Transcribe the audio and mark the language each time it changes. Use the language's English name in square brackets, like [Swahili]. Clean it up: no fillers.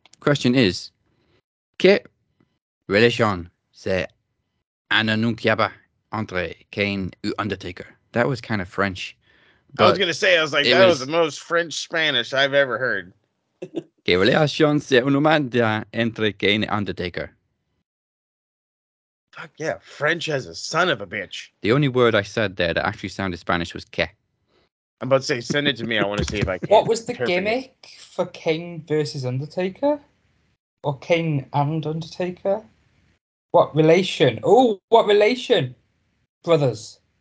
[English] Question is, [Spanish] ¿Qué relación se anunciaba entre Kane y Undertaker? [English] That was kind of French. But I was going to say, I was like, that was the most French-Spanish I've ever heard. [Spanish] ¿Qué relación se anunciaba entre Kane y Undertaker? [English] Fuck yeah, French as a son of a bitch. The only word I said there that actually sounded Spanish was que. I'm about to say, send it to me. I want to see if I can. What was the gimmick for Kane versus Undertaker? Or Kane and Undertaker? What relation? Oh, what relation? Brothers.